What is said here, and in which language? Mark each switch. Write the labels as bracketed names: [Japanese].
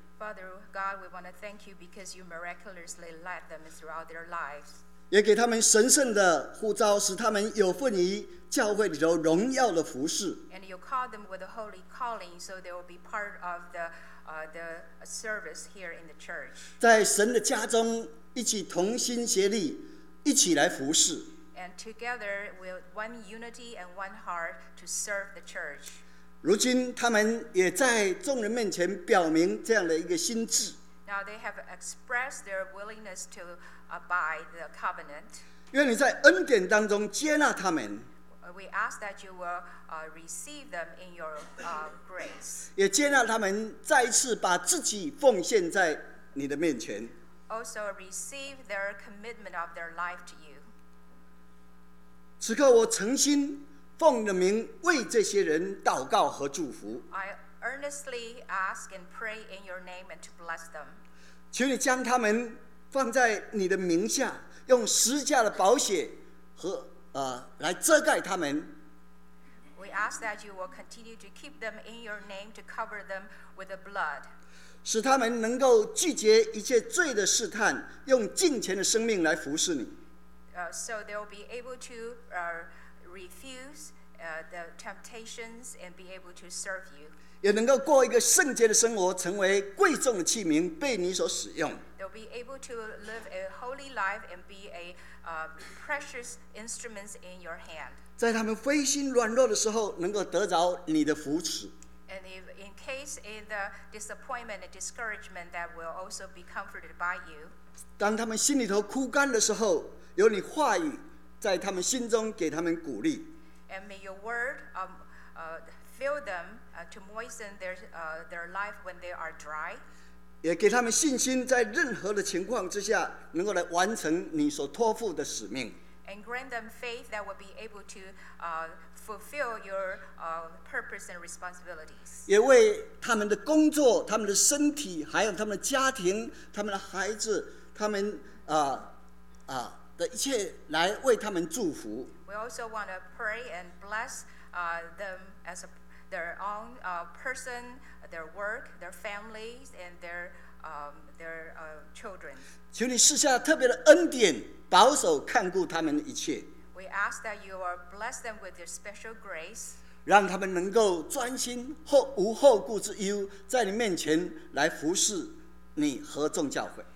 [English] Father God, we want to thank you because you miraculously led them throughout their lives. [Chinese] 也给他们神圣的呼召，使他们有份于教会里头荣耀的服事。 [English] And you called them with a holy calling, so they will be part of the service here in the church. [Chinese] 在神的家中，一起同心协力，一起来服事。 [English] And together with one unity and one heart to serve the church. [Chinese] 如今他们也在众人面前表明这样的一个心志。 [English] Now they have expressed their willingness to abide the covenant. [Chinese] 愿你在恩典当中接纳他们。 [English] We ask that you will receive them in your grace. [Chinese] 也接纳他们再次把自己奉献在你的面前。 [English] Also receive their commitment of their life to you. [Chinese] 此刻我诚心奉你的名为这些人祷告和祝福。 [English] I earnestly ask and pray in your name and to bless them. [Chinese] 求你将他们放在你的名下，用十字架的宝血和来遮盖他们。 [English] We ask that you will continue to keep them in your name to cover them with the blood. [Chinese] 使他们能够拒绝一切罪的试探，用敬虔的生命来服侍你。 [English] So they'll be able to refuse the temptations and be able to serve you. [Chinese] 也能够过一个圣洁的生活，成为贵重的器皿，被你所使用。 [English] They'll be able to live a holy life and be a precious instruments in your hand. [Chinese] 在他们灰心软弱的时候，能够得着你的扶持。 [English] And if in case in the disappointment and discouragement, that will also be comforted by you. [Chinese] 当他们心里头枯干的时候，有你话语在他们心中给他们鼓励。 [English] And may your word fill them to moisten their life when they are dry. [Chinese] 也给他们信心，在任何的情况之下，能够来完成你所托付的使命。 [English] And grant them faith that will be able to fulfill your purpose and responsibilities. [Chinese] 也为他们的工作、他们的身体、还有他们的家庭、他们的孩子、他们的一切来为他们祝福。 [English] We also want to pray and bless them as their own person, their work, their families, and their children. [Chinese] 求你赐下特别的恩典，保守看顾他们的一切。 [English] We ask that you will bless them with your special grace. [Chinese] 让他们能够专心后无后顾之忧，在你面前来服侍你和众教会。